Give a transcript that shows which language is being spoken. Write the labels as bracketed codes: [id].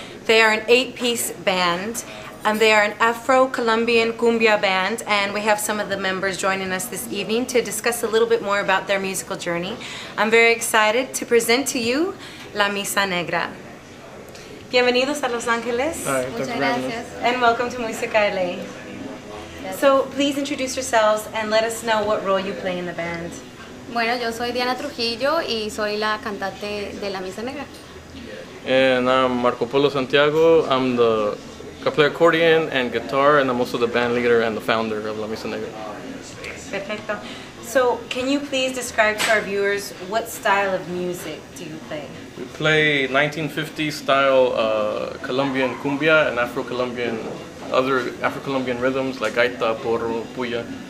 [en] They are an eight-piece band, and they are an Afro-Colombian Cumbia band, and we have some of the members joining us this evening to discuss a little bit more about their musical journey. I'm very excited to present to you La Misa Negra. [es] Bienvenidos a Los Angeles. Muchas gracias. [en] And welcome to Musica LA. So please introduce yourselves and let us know what role you play in the band. [es] Bueno, yo soy Diana Trujillo y soy la cantante de La Misa Negra. [en] And I'm Marco Polo Santiago. I play accordion and guitar, and I'm also the band leader and the founder of La Misa Negra. [es] Perfecto. [en] So can you please describe to our viewers what style of music do you play? We play 1950s style Colombian cumbia and Afro-Colombian, other Afro-Colombian rhythms like gaita, porro, puya.